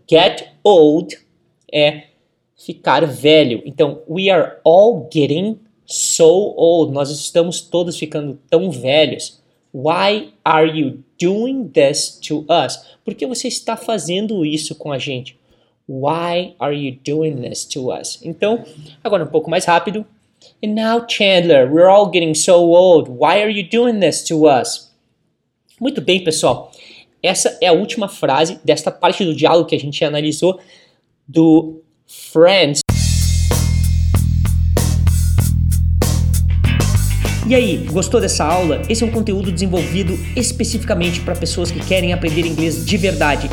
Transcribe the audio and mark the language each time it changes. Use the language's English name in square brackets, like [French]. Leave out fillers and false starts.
[English] Get old [Portuguese] é ficar velho. Então, [English] we are all getting so old. [Portuguese] Nós estamos todos ficando tão velhos. [English] Why are you doing this to us? [Portuguese] Por que você está fazendo isso com a gente? [English] Why are you doing this to us? [Portuguese] Então, agora um pouco mais rápido. [English] And now, Chandler, we're all getting so old. Why are you doing this to us? [Portuguese] Muito bem, pessoal. Essa é a última frase desta parte do diálogo que a gente analisou do Friends. E aí, gostou dessa aula? Esse é um conteúdo desenvolvido especificamente para pessoas que querem aprender inglês de verdade.